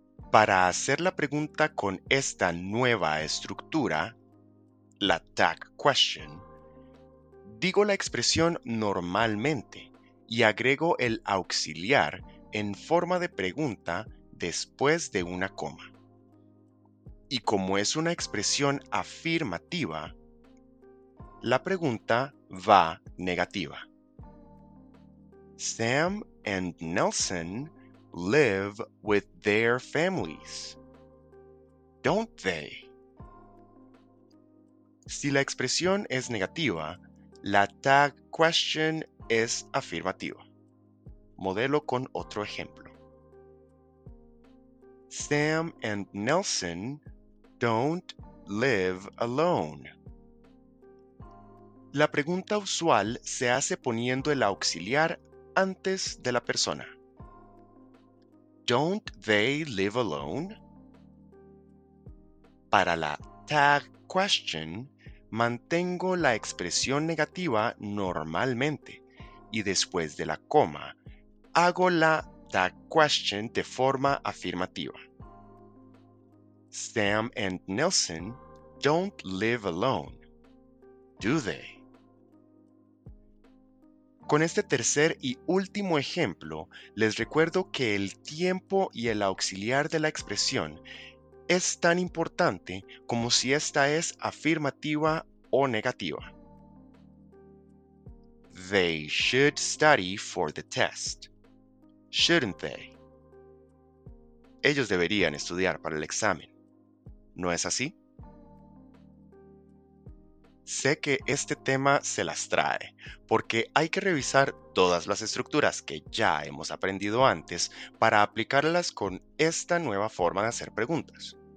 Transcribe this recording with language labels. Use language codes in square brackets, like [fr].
[es] Para hacer la pregunta con esta nueva estructura, la tag question, digo la expresión normalmente y agrego el auxiliar en forma de pregunta después de una coma. Y como es una expresión afirmativa, la pregunta va negativa. [en] Sam and Nelson live with their families, don't they? [es] Si la expresión es negativa, la tag question es afirmativa. Modelo con otro ejemplo. [en] Sam and Nelson don't live alone. [es] La pregunta usual se hace poniendo el auxiliar antes de la persona. [en] Don't they live alone? [es] Para la tag question, mantengo la expresión negativa normalmente y después de la coma, hago la tag question de forma afirmativa. [en] Sam and Nelson don't live alone, do they? [es] Con este tercer y último ejemplo, les recuerdo que el tiempo y el auxiliar de la expresión es tan importante como si esta es afirmativa o negativa. [en] They should study for the test, shouldn't they? [es] Ellos deberían estudiar para el examen, ¿no es así? Sé que este tema se las trae, porque hay que revisar todas las estructuras que ya hemos aprendido antes para aplicarlas con esta nueva forma de hacer preguntas.